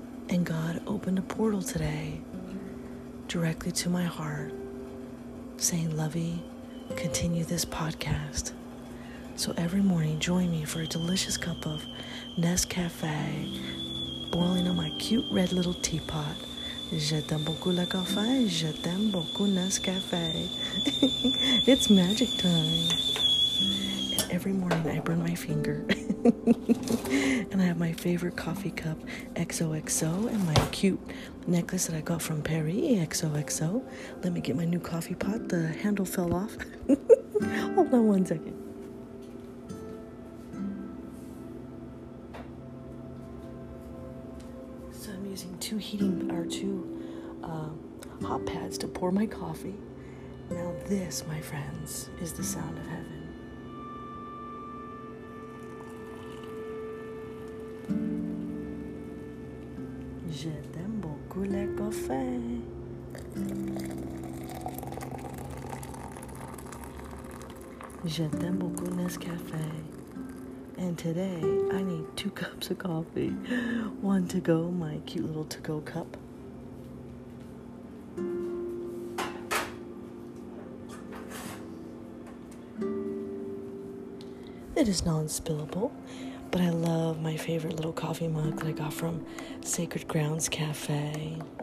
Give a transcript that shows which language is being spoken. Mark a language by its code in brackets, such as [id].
[en] And God opened a portal today directly to my heart, saying, Lovey, continue this podcast. So every morning, join me for a delicious cup of Nescafe, boiling on my cute red little teapot. [fr] Je t'aime beaucoup le café, je t'aime beaucoup Nescafe. [en] It's magic time. And every morning I burn my finger. And I have my favorite coffee cup, XOXO, and my cute necklace that I got from Paris, XOXO. Let me get my new coffee pot. The handle fell off. Hold on 1 second. Two heating or two hot pads to pour my coffee. Now this, my friends, is the sound of heaven. [fr] Je t'aime beaucoup le café. Je t'aime beaucoup Nescafe. [en] And today, I need 2 cups of coffee. One to go, my cute little to-go cup. It is non-spillable, but I love my favorite little coffee mug that I got from Sacred Grounds Cafe.